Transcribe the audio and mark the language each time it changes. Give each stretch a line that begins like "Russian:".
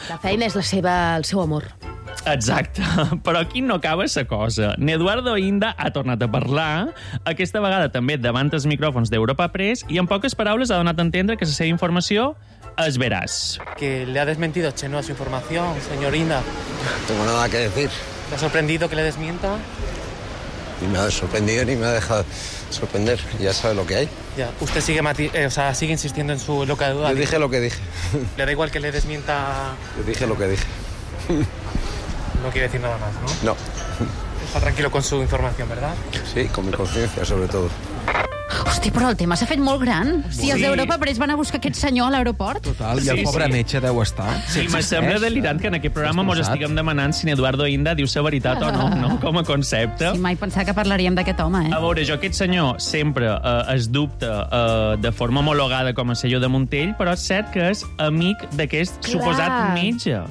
Catalan: La feina és el seu amor. Exacte, però aquí no acaba la cosa. N'Eduardo Inda ha tornat a parlar, aquesta vegada també davant els micròfons d'Europa Press, i en poques paraules ha donat a entendre que la seva informació es veràs.
Spanish: Que le ha desmentido Chenoa su información, señor Inda. No tengo nada que decir. ¿Le ha sorprendido que le desmienta? Ni me ha sorprendido ni me ha dejado sorprender, ya sabe lo que hay. Ya. Usted sigue, sigue insistiendo en su loca duda. Yo dije lo que dije. ¿Le da igual que le desmienta...? Yo dije lo que dije. No quiere decir nada más, ¿no? No. Está tranquilo con su información, ¿verdad? Sí, con mi conciencia, sobre todo.
Catalan: Hosti, però el tema s'ha fet molt gran. Sí. Si els d'Europa Press van a buscar aquest senyor a l'aeroport. Total, i el pobre metge deu estar. Sí, sí, m'assembla delirant que en aquest programa mos estiguem demanant si Eduardo Inda diu la veritat o no, no, com a concepte. Sí, mai pensava que parlaríem d'aquest home, eh? A veure, jo aquest senyor sempre es dubta de forma homologada com a senyor de Montell, però és cert que és amic d'aquest suposat metge.